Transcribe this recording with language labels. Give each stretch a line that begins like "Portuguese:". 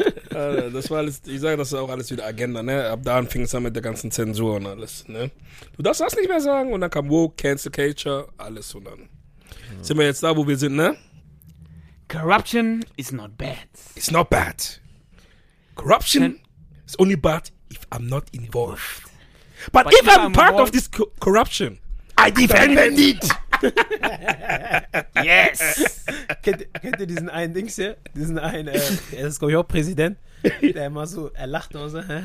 German: Das war alles, ich sage, das ist auch alles wieder Agenda, ne? Ab da fing es an mit der ganzen Zensur und alles, ne? Du darfst das nicht mehr sagen und dann kam Woke, Cancel Culture, alles und dann sind wir jetzt da, wo wir sind, ne?
English: Corruption is not bad. It's not bad. Corruption is only bad if I'm not involved. But if I'm part of this corruption, I defend it. Yes.
German: Kennt ihr diesen einen Dings hier? Diesen einen, er ist glaube ich auch Präsident, der immer so, er lacht immer so.